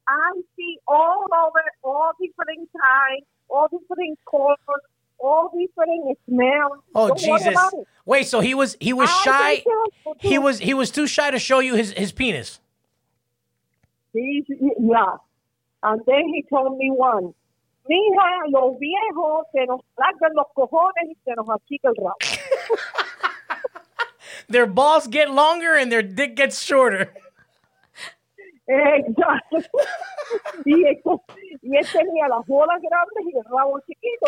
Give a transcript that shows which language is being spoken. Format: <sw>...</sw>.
<en>I see all over, all different types, all different colors, all different smells. Oh, don't Jesus. Wait, so he was shy. He was too shy to show you his penis. Yeah. And then he told me one.</en> <es>Mija, los viejos se nos largan los cojones y se nos achica el rabo.</es> <en>Their balls get longer and their dick gets shorter.</en> <es>Exacto. Y él tenía las bolas grandes y el rabo chiquito.</es>